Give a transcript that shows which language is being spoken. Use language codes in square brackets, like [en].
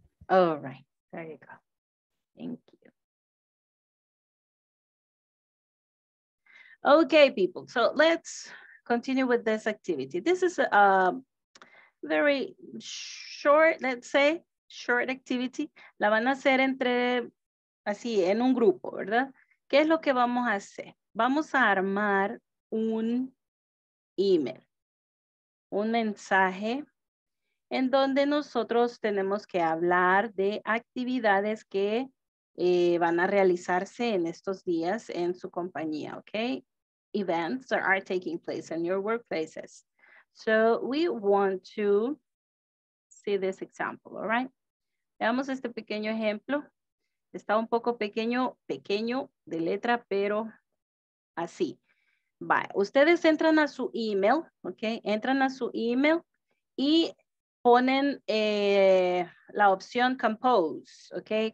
[en] All right. There you go. Thank you. Okay, people. So let's continue with this activity. This is a very short, let's say, short activity. [es] La van a hacer entre, así, en un grupo, ¿verdad? ¿Qué es lo que vamos a hacer? Vamos a armar un email. Un mensaje en donde nosotros tenemos que hablar de actividades que van a realizarse en estos días en su compañía, ¿ok? [en] Events that are taking place in your workplaces. So we want to see this example, all right? [es] Veamos este pequeño ejemplo. Está un poco pequeño, pequeño de letra, pero así. Vale. Ustedes entran a su email, ¿ok? Entran a su email y ponen la opción compose, ¿ok?